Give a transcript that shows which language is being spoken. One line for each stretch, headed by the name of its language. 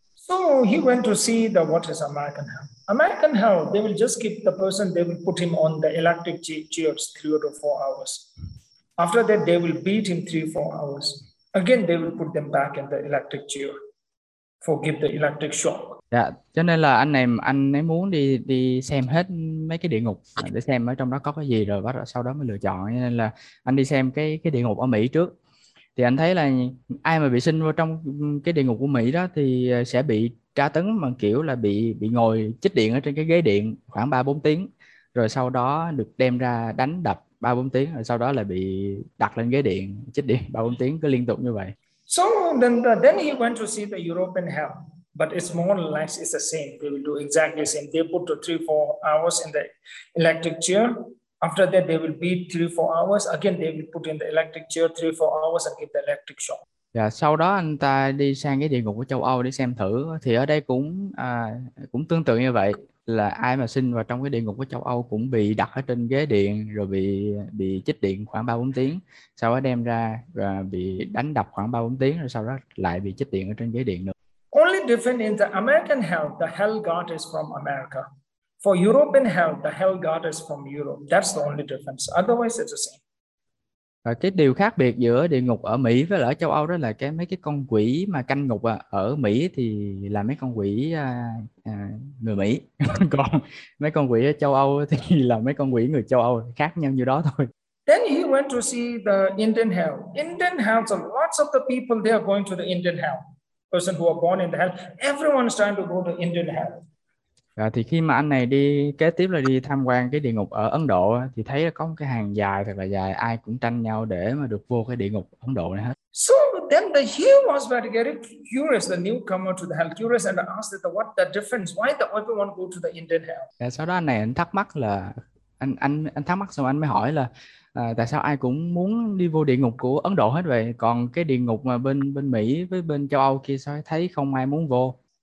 English: So he went to see the what is American hell. American hell, they will just keep the person, they will put him on the electric chairs 3 or 4 hours. After that, they will beat him 3 or 4 hours. Again, they will put them back in the electric chair for give the electric shock.
Vietnamese: Dạ, cho nên là anh ấy muốn đi xem hết mấy cái địa ngục để xem ở trong đó có cái gì rồi bắt sau đó mới lựa chọn. Cho nên là anh đi xem cái địa ngục ở Mỹ trước. Thì anh thấy là ai mà bị sinh vào trong cái địa ngục của Mỹ đó thì sẽ bị tra tấn bằng kiểu là bị ngồi chích điện ở trên cái ghế điện khoảng 3-4 tiếng, rồi sau đó được đem ra đánh đập 3-4 tiếng, rồi sau đó là bị đặt lên ghế điện chích điện 3-4 tiếng cứ liên tục như vậy.
English: So then he went to see the European hell, but it's more or less it's the same. They will do exactly the same. They put 3-4 hours in the electric chair. After that, they will beat 3-4 hours. Again, they will put in the electric chair 3-4 hours and give the electric shock.
Vietnamese: Yeah, sau đó anh ta đi sang cái địa ngục của châu Âu để xem thử. Thì ở đây cũng tương tự như vậy. Là ai mà sinh vào trong cái địa ngục của châu Âu cũng bị đặt ở trên ghế điện rồi bị chích điện khoảng 3-4 tiếng. Sau đó đem ra và bị đánh đập khoảng 3-4 tiếng rồi sau đó lại bị chích điện ở trên ghế điện nữa.
English: Only different in the American hell, the hell god is from America. For European hell, the hell god is from Europe. That's the only difference. Otherwise, it's the same.
Vietnamese: Và cái điều khác biệt giữa địa ngục ở Mỹ với ở châu Âu đó là cái mấy cái con quỷ mà canh ngục ở Mỹ thì là mấy con quỷ người Mỹ. Còn mấy con quỷ ở châu Âu thì là mấy con quỷ người châu Âu, khác nhau như đó thôi.
English: Then he went to see the Indian hell. Indian hell, so lots of the people, they are going to the Indian hell. Person who are born in the hell, everyone is trying to go to Indian hell.
Vietnamese: À, thì khi mà anh này đi kế tiếp là đi tham quan cái địa ngục ở Ấn Độ thì thấy có một cái hàng dài thật là dài, ai cũng tranh nhau để mà được vô cái địa ngục Ấn Độ này hết.
English: So then he was very curious, the newcomer to the hell, curious and asked that what the difference, why the everyone go to the Indian hell.
Vietnamese: À, sau đó anh này anh thắc mắc là anh thắc mắc xong anh mới hỏi là tại sao ai cũng muốn đi vô địa ngục của Ấn Độ hết vậy, còn cái địa ngục mà bên bên Mỹ với bên châu Âu kia sao thấy không ai muốn vô.